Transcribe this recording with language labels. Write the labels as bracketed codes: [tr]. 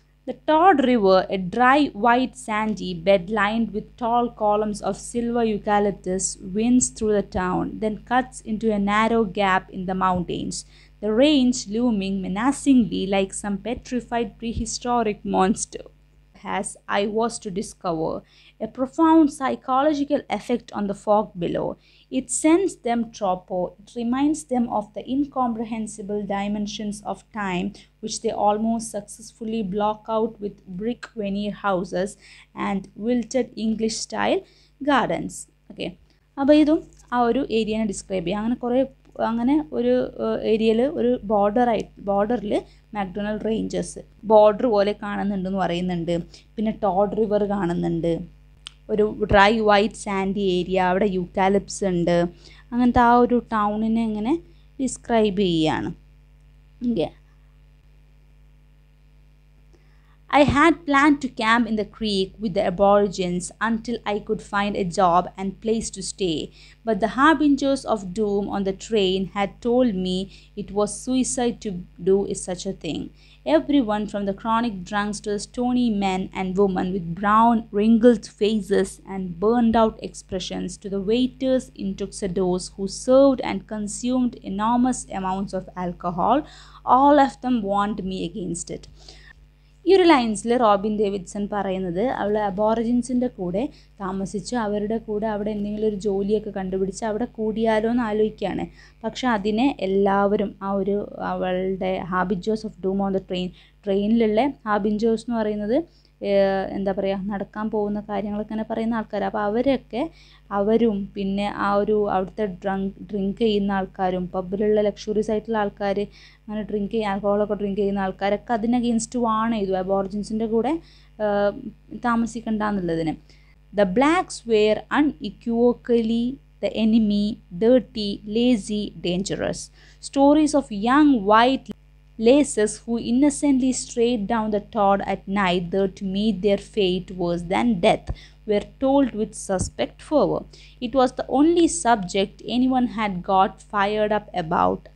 [en] The toad river, a dry white sandy bed lined with tall columns of silver eucalyptus, winds through the town, then cuts into a narrow gap in the mountains. The range looming menacingly like some petrified prehistoric monster. As I was to discover, a profound psychological effect on the fog below. It sends them tropo, it reminds them of the incomprehensible dimensions of time which they almost successfully block out with brick veneer houses and wilted English style gardens. Okay, [ml] appo idu aa oru area na describe cheyya, angane kore അങ്ങനെ ഒരു ഏരിയയിൽ ഒരു ബോർഡറിൽ McDonald ranges border പോലെ കാണുന്നുണ്ടെന്ന് പറയുന്നുണ്ട്. പിന്നെ Todd river കാണുന്നുണ്ട്, ഒരു ഡ്രൈ വൈറ്റ് സാൻഡി ഏരിയ, അവിടെ യൂക്കാലിപ്റ്റസ് ഉണ്ട്, അങ്ങനത്തെ ആ ഒരു ടൗണിനെ ഇങ്ങനെ ഡിസ്ക്രൈബ് ചെയ്യുകയാണ്. [en] I had planned to camp in the creek with the aborigines until I could find a job and place to stay, but the harbingers of doom on the train had told me it was suicide to do such a thing. Everyone from the chronic drunks to the stony men and women with brown, wrinkled faces and burned-out expressions to the waiters in tuxedos who served and consumed enormous amounts of alcohol, all of them warned me against it. [ml] ഈ ഒരു ലൈൻസിൽ Robin Davidson പറയുന്നത് അവൾ അബോറിജിൻസിൻ്റെ കൂടെ താമസിച്ച് അവരുടെ കൂടെ അവിടെ എന്തെങ്കിലും ഒരു ജോലിയൊക്കെ കണ്ടുപിടിച്ച് അവിടെ കൂടിയാലോ എന്ന് ആലോചിക്കുകയാണ്. പക്ഷേ അതിനെ എല്ലാവരും ആ ഒരു അവളുടെ [en] harbingers of doom on the [ml] ട്രെയിനിലുള്ള ഹാബിഞ്ചേഴ്സ് എന്ന് പറയുന്നത് എന്താ പറയുക, നടക്കാൻ പോകുന്ന കാര്യങ്ങളൊക്കെ ഇങ്ങനെ പറയുന്ന ആൾക്കാർ, അപ്പോൾ അവരൊക്കെ അവരും പിന്നെ ആ ഒരു അവിടുത്തെ ഡ്രിങ്ക് ചെയ്യുന്ന ആൾക്കാരും പബ്ബിലുള്ള ലക്ഷുറീസ് ആയിട്ടുള്ള ആൾക്കാർ അങ്ങനെ ഡ്രിങ്ക് ചെയ്യുന്ന ആൾക്കോളൊക്കെ ഡ്രിങ്ക് ചെയ്യുന്ന ആൾക്കാരൊക്കെ അതിനഗെയിൻസ്റ്റ് വാണ് ചെയ്തു അബോറിജിൻസിൻ്റെ കൂടെ താമസിക്കണ്ടെന്നുള്ളതിന്. [en] The blacks were unequivocally the enemy, dirty, lazy, dangerous. Stories of young white laces who innocently strayed down the todd at night there to meet their fate worse than death were told with suspect fervor. It was the only subject anyone had got fired up about.